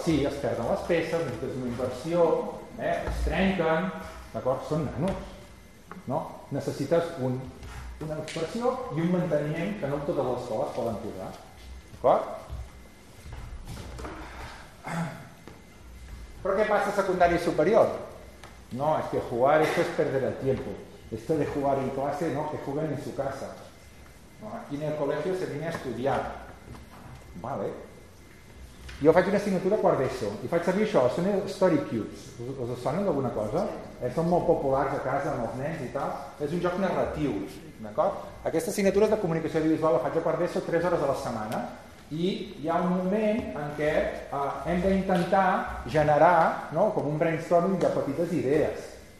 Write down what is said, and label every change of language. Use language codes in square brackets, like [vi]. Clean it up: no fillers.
[ca] Sí, es perden les peces, necessites una inversió, es trenquen, d'acord? Són nanos, no? Necessites una inversió i un manteniment que no totes les escoles poden posar, d'acord? Però què passa a secundària i superior? [es] No, és que jugar esto es perder el tiempo. Esto de jugar en clase, no, que juguen en su casa. No, aquí en el colegio se viene a estudiar. Vale. [ca] Jo faig una assignatura a quart d'ESO i faig servir això, són Story Cubes. Us sonen d'alguna cosa? Són molt populars a casa amb els nens i tal. És un joc narratiu, d'acord? Aquesta assignatura és de comunicació visual, la faig a quart d'ESO 3 hores a la setmana i hi ha un moment en què hem d'intentar generar, no?, com un brainstorming de petites idees.